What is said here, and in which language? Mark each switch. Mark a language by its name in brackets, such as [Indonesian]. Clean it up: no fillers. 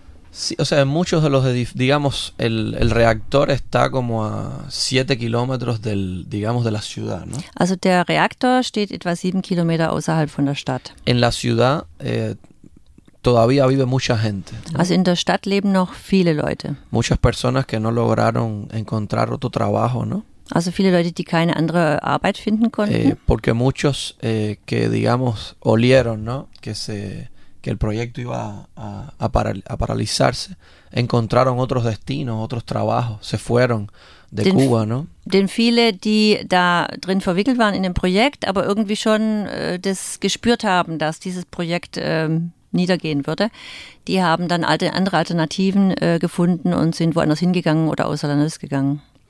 [Spanish] Sí, o sea, en muchos de los digamos, el reactor está como a 7 kilómetros del, digamos, de la ciudad, ¿no? [German] Also der Reaktor steht etwa 7 Kilometer außerhalb von der Stadt. [Spanish] En la ciudad todavía vive mucha gente, ¿no? [German] Also in der Stadt leben noch viele Leute. [Spanish] Muchas personas que no lograron encontrar otro trabajo, ¿no? [German] Also viele Leute, die keine andere Arbeit finden konnten. [Spanish] Porque muchos que, digamos, olieron, ¿no? Que se... que el proyecto iba a paralizarse, encontraron otros destinos, otros trabajos, se fueron de den, Cuba, ¿no? [German] Denn viele, die da drin verwickelt waren in dem Projekt, aber irgendwie schon das gespürt haben, dass dieses Projekt niedergehen würde, die haben dann andere Alternativen gefunden und sind woanders hingegangen oder außer Landes gegangen.